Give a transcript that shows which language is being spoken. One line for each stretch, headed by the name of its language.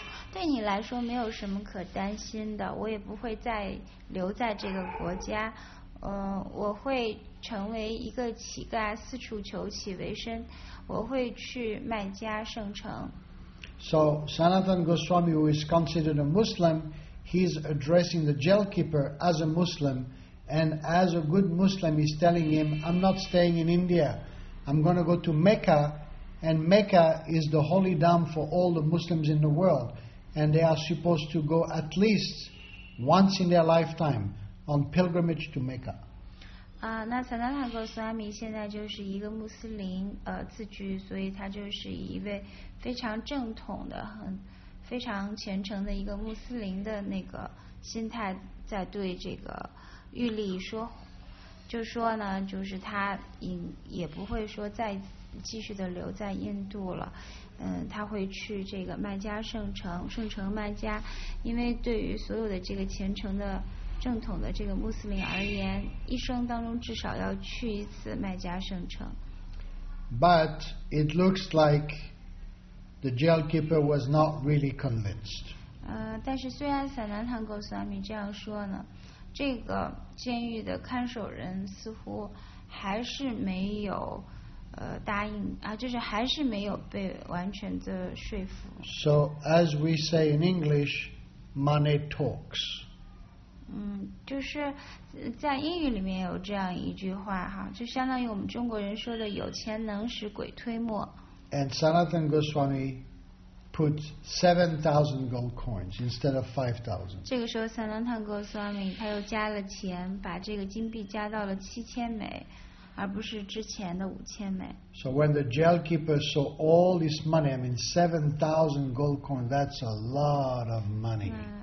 Chinese: 对你来说没有什么可担心的，我也不会再留在这个国家。我会成为一个乞丐，四处求乞为生。我会去麦加圣城。
English: So Sanatan Goswami, who is considered a Muslim, he's addressing the jail keeper as a Muslim, and as a good Muslim, he's telling him, "I'm not staying in India. I'm going to go to Mecca, and Mecca is the holy dump for all the Muslims in the world, and they are supposed to go at least once in their lifetime on pilgrimage to Mecca."
Chinese: 那 Sanatan Goswami 现在就是一个穆斯林，自居，所以他就是一位非常正统的，很非常虔诚的一个穆斯林的那个心态，在对这个玉立说，就说呢，就是他也不会说再继续的留在印度了，他会去这个麦加圣城麦加，因为对于所有的这个虔诚的正统的这个穆斯林而言，一生当中至少要去一次麦加圣城。
English: But it looks like the jailkeeper was not really convinced.
Chinese: 但是虽然 Sanatan Goswami 这样说呢，这个监狱的看守人似乎还是没有答应啊，就是还是没有被完全的说服。
English: So as we say in English, money talks.
Chinese: 就是在英语里面有这样一句话哈，就相当于我们中国人说的"有钱能使鬼推磨"。
English: And Sanatan Goswami put 7,000 gold coins instead of 5,000.
Chinese: 这个时候 ，Sanatan Goswami 他又加了钱，把这个金币加到了7,000枚，而不是之前的5,000枚。
English: So when the jailkeeper saw all this money, I mean 7,000 gold coins—that's a lot of money.